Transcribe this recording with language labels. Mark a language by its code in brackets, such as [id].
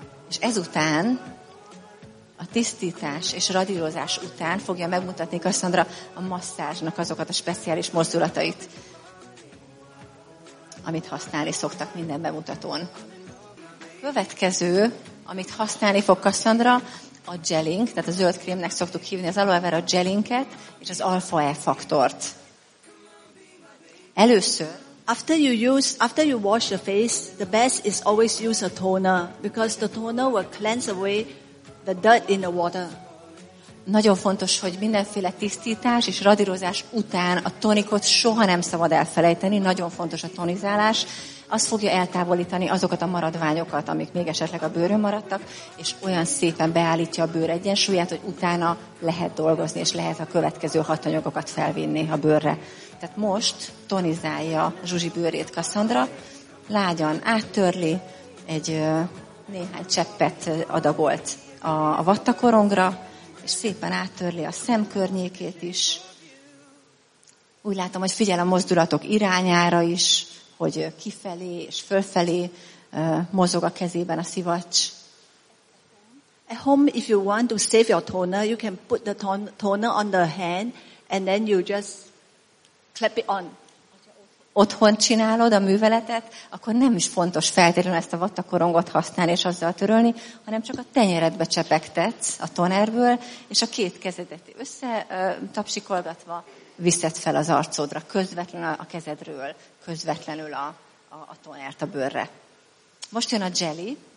[hu] És ezután, a tisztítás és radírozás után fogja megmutatni Cassandra a masszázsnak azokat a speciális mozdulatait, amit használni szoktak minden bemutatón. Következő, amit használni fog Cassandra, a gelling, tehát a zöld krémnek szoktuk hívni az aloe vera gellinget és az alfa E faktort. Először, [en] after you wash your face, the best is always use a toner because the toner will cleanse away the dirt in the water. [hu] Nagyon fontos, hogy mindenféle tisztítás és radírozás után a tonikot soha nem szabad elfelejteni, nagyon fontos a tonizálás. Az fogja eltávolítani azokat a maradványokat, amik még esetleg a bőrön maradtak, és olyan szépen beállítja a bőr egyensúlyát, hogy utána lehet dolgozni, és lehet a következő hatanyagokat felvinni a bőrre. Tehát most tonizálja Zsuzsi bőrét Cassandra, lágyan áttörli, egy néhány cseppet adagolt a vattakorongra, és szépen áttörli a szem környékét is. Úgy látom, hogy figyel a mozdulatok irányára is, hogy kifelé és fölfelé mozog a kezében a szivacs. [en] At home, if you want to save your toner, you can put the toner on the hand, and then you just clap it on. [hu] Otthon csinálod a műveletet, akkor nem is fontos feltétlenül ezt a vattakorongot használni és azzal törölni, hanem csak a tenyeredbe csepegtetsz a tonerből, és a két kezedet összetapsikolgatva viszed fel az arcodra, közvetlenül a kezedről, közvetlenül a tonert a bőrre. Most jön a jelly.